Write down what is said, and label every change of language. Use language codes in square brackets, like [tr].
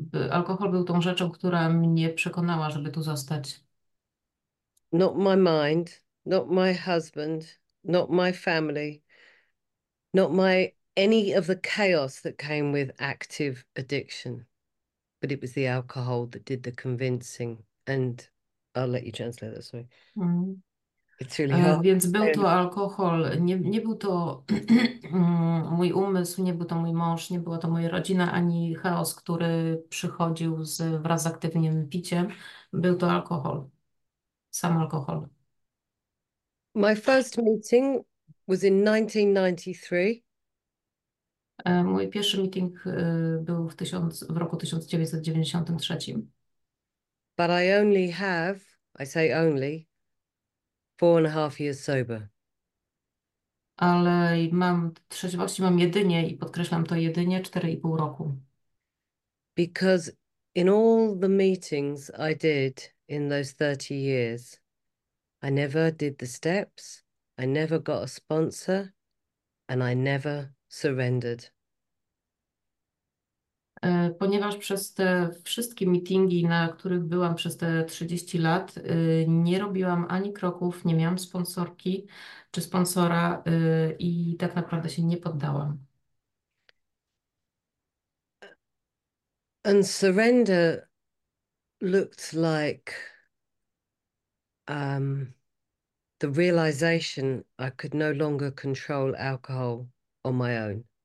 [pl] Alkohol był tą rzeczą, która mnie przekonała, żeby tu zostać. [en] Not my mind, not my husband, not my family, not my any of the chaos that came with active addiction. But it was the alcohol that did the convincing. And I'll let you translate that, sorry. It's really hard. [pl] Więc był to alkohol, nie był to mój umysł, nie był to mój mąż, nie była to moja rodzina, ani chaos, który przychodził wraz z aktywnym piciem. Był to alkohol, sam alkohol. [en] My first meeting was in 1993. [pl] Mój pierwszy meeting był w roku 1993. [en] But I only have, I say only, 4.5 years sober. [pl] Ale mam trzeźwości, mam jedynie i podkreślam to jedynie 4,5 roku. [en] Because in all the meetings I did in those 30 years, I never did the steps, I never got a sponsor, and I never surrendered. [pl] Ponieważ przez te wszystkie meetingi, na których byłam przez te 30 lat, nie robiłam ani kroków, nie miałam sponsorki czy sponsora, i tak naprawdę się nie poddałam. [en] And surrender looked like the realization I could no longer control alcohol on my own.